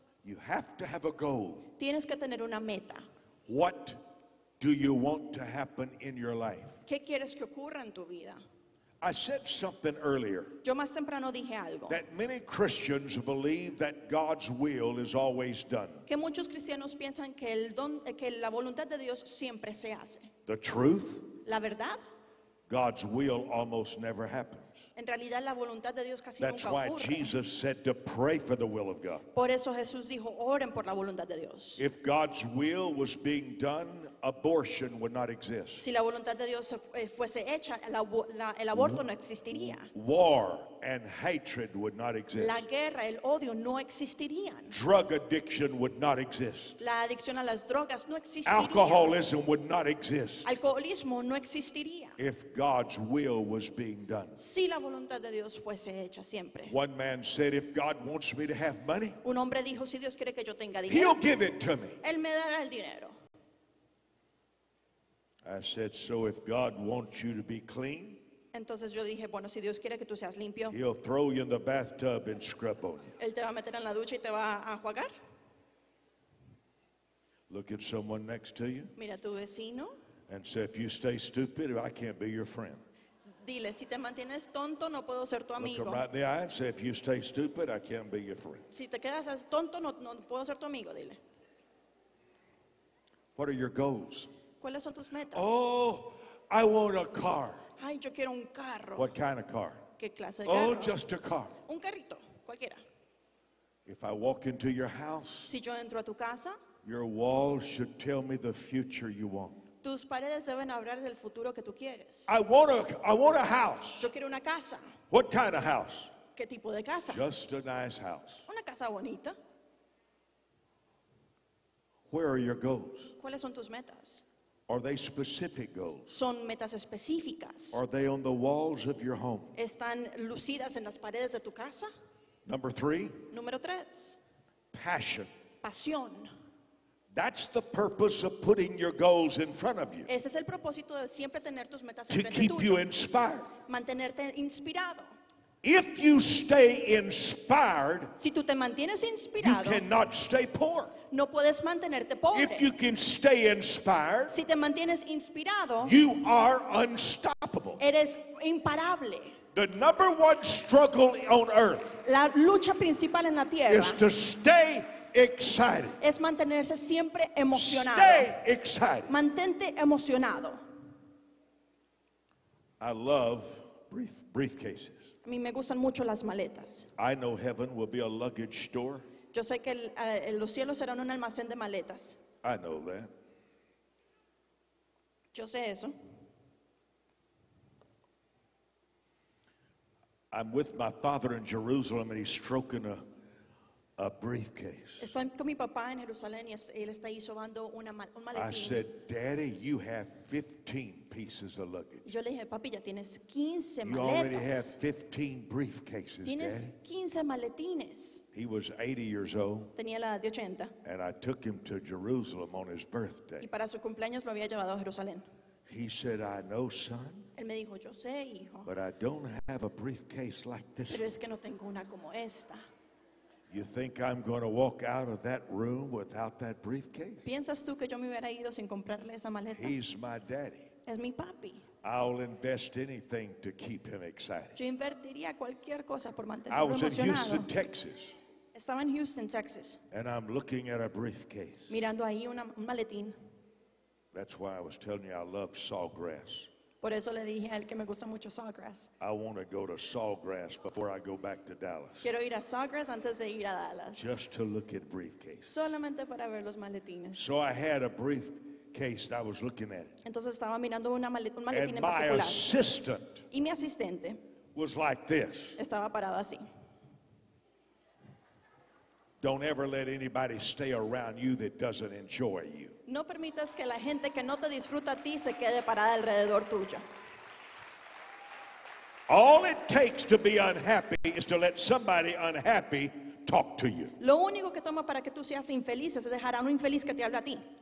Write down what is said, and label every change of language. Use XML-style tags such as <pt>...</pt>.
<en>You have to have a goal.</en> <es>Tienes que tener una meta.</es> <en>What do you want to happen in your life?</en> <es>¿Qué quieres que ocurra en tu vida?</es> <en>I said something earlier.</en> <es>Yo más temprano dije algo.</es> <en>That many Christians believe that God's will is always done.</en> <es>Que muchos cristianos piensan que el don, que la voluntad de Dios siempre se hace.</es> <en>The truth?</en> <es>La verdad?</es> <en>God's will almost never happens.</en> <es>En realidad la voluntad de Dios casi nunca ocurre.</es> <en>That's why Jesus said to pray for the will of God.</en> <es>Por eso Jesús dijo, oren por la voluntad de Dios.</es> <en>If God's will was being done, abortion would not exist.</en> <es>Si la voluntad de Dios fuese hecha, el aborto no existiría.</es> <en>War and hatred would not exist.</en> <es>La guerra, el odio no existirían.</es> <en>Drug addiction would not exist.</en> <es>La adicción a las drogas no existiría.</es> <en>Alcoholism would not exist.</en> <es>Alcoholismo no existiría.</es> <en>If God's will was being done.</en> <es>Si la voluntad de Dios fuese hecha siempre.</es> <en>One man said, if God wants me to have money,</en> <es>un hombre dijo, si Dios quiere que yo tenga dinero,</es> <en>he'll give it to me.</en> <es>Él me dará el dinero.</es> <en>I said, so if God wants you to be clean,</en> <es>Entonces yo dije, bueno, si Dios quiere que tú seas limpio,</es> <en>he'll throw you in the bathtub and scrub on you.</en> <es>Él te va a meter en la ducha y te va a enjuagar.</es> <en>Look at someone next to you.</en> <es>Mira tu vecino.</es> <en>And say, if you stay stupid, I can't be your friend.</en> <es>Dile, si te mantienes tonto, no puedo ser tu amigo.</es> <en>Look him right in the eye and say, if you stay stupid, I can't be your friend.</en> <es>Si te quedas tonto, no puedo ser tu amigo, dile.</es> <en>What are your goals?</en> <es>¿Cuáles son tus metas?</es> <en>Oh, I want a car.</en> <es>Ay, yo quiero un carro.</es> <en>What kind of car?</en> <es>¿Qué clase de oh, carro?</es> <en>Oh, just a car.</en> <es>Un carrito, cualquiera.</es> <en>If I walk into your house,</en> <es>si yo entro a tu casa,</es> <en>your walls should tell me the future you want.</en> <es>Tus paredes deben hablar del futuro que tú quieres.</es> <en>I want a house.</en> <es>Yo quiero una casa.</es> <en>What kind of house?</en> <es>¿Qué tipo de casa?</es> <en>Just a nice house.</en> <es>Una casa bonita.</es> <en>Where are your goals?</en> <es>¿Cuáles son tus metas?</es> <en>Are they specific goals?</en> <es>¿Son metas específicas?</es> <en>Are they on the walls of your home?</en> <es>¿Están lucidas en las paredes de tu casa?</es> <en>Number three.</en> <es>Número tres.</es> <en>Passion.</en> <es>Pasión.</es> <en>That's the purpose of putting your goals in front of you.</en> <es>Ese es el propósito de siempre tener tus metas en frente tuyo.</es> <en>To keep you inspired.</en> <es>Mantenerte inspirado.</es> <en>If you stay inspired,</en> <es>si tú te mantienes inspirado,</es> <en>you cannot stay poor.</en> <es>No puedes mantenerte pobre.</es> <en>If you can stay inspired,</en> <es>si te mantienes inspirado,</es> <en>you are unstoppable.</en> <es>Eres imparable.</es> <en>The number one struggle on earth,</en> <es>la lucha principal en la tierra,</es> <en>is to stay excited.</en> <es>Es mantenerse siempre emocionado.</es> <en>Stay excited.</en> <es>Mantente emocionado.</es> <en>I love briefcases.</en> <es>A mí me gustan mucho las maletas.</es> <en>I know heaven will be a luggage store.</en> <es>Yo sé que los cielos serán un almacén de maletas.</es> <en>I know that.</en> <es>Yo sé eso.</es> <en>I'm with my father in Jerusalem and he's stroking a briefcase.</en> <es>Estoy con mi papá en Jerusalén y él está ahí sobando un maletín.</es> <en>I said, Daddy, you have 15 pieces of luggage.</en> <es>Yo le dije, papi, ya tienes 15 maletas.</es> <en>You already have 15 briefcases,</en> <es>tienes</es> <en>Daddy.</en> <es>15 maletines.</es> <en>He was 80 years old.</en> <es>Tenía la edad de 80.</es> <en>And I took him to Jerusalem on his birthday.</en> <es>Y para su cumpleaños lo había llevado a Jerusalén.</es> <en>He said, I know, son.</en> <es>Él me dijo, yo sé, hijo.</es> <en>But I don't have a briefcase like this.</en> <es>Pero es que no tengo una como esta.</es> <en>You think I'm going to walk out of that room without that briefcase?</en> <es>¿Piensas tú que yo me hubiera ido sin comprarle esa maleta?</es> <en>He's my daddy.</en> <es>Es mi papi.</es> <en>I'll invest anything to keep him excited.</en> <es>Yo invertiría cualquier cosa por mantenerlo emocionado.</es> <en>I was in Houston, Texas.</en> <es>Estaba en Houston, Texas.</es> <en>And I'm looking at a briefcase.</en> <es>Mirando ahí un maletín.</es> <en>That's why I was telling you I love sawgrass.</en> <es>Por eso le dije a él que me gusta mucho Sawgrass.</es> <en>I want to go to Sawgrass before I go back to Dallas.</en> <es>Quiero ir a Sawgrass antes de ir a Dallas.</es> <en>Just to look at briefcases.</en> <es>Solamente para ver los maletines.</es> <en>So I had a briefcase that I was looking at.</en> <es>Entonces estaba mirando un maletín en particular.</es> <en>And my assistant.</en> <es>Y mi asistente.</es> <en>Was like this.</en> <es>Estaba parado así.</es> <en>Don't ever let anybody stay around you that doesn't enjoy you.</en> <es>No permitas que la gente que no te disfruta a ti se quede parada alrededor tuyo.</es> <en>All it takes to be unhappy is to let somebody unhappy talk to you.</en> <es>Lo único que toma para que tú seas infeliz es dejar a un infeliz que te hable a ti.</es>